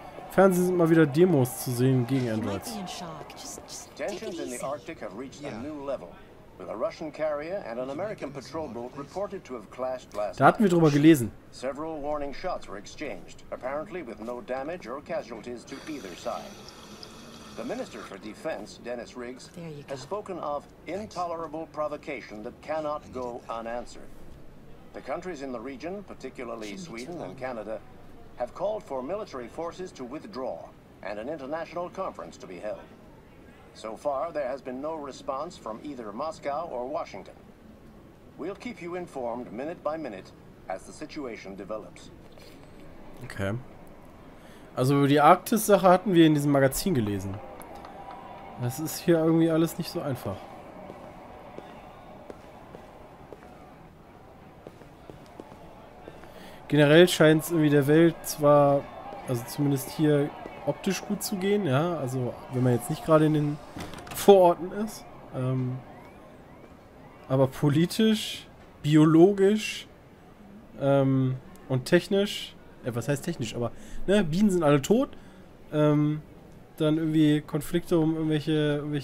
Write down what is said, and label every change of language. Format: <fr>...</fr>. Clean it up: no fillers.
<de>Fernsehen sind mal wieder Demos zu sehen gegen Androids.</de> <en>Tensions in the Arctic have reached a new level. With a Russian carrier and an American patrol boat reported to have clashed last night.</en> <de>Da hatten wir drüber gelesen.</de> <en>Several warning shots were exchanged, apparently with no damage or casualties to either side. The Minister for Defense, Dennis Riggs, has spoken of intolerable provocation that cannot go unanswered. The countries in the region, particularly Sweden and Canada, have called for military forces to withdraw and an international conference to be held. So far, there has been no response from either Moscow or Washington. We'll keep you informed minute by minute as the situation develops. Okay.</en> <de>Also über die Arktis-Sache hatten wir in diesem Magazin gelesen. Das ist hier irgendwie alles nicht so einfach. Generell scheint es irgendwie der Welt zwar, also zumindest hier optisch gut zu gehen, ja, also wenn man jetzt nicht gerade in den Vororten ist, aber politisch, biologisch und technisch, was heißt technisch, aber ne, Bienen sind alle tot, dann irgendwie Konflikte um irgendwelche</de>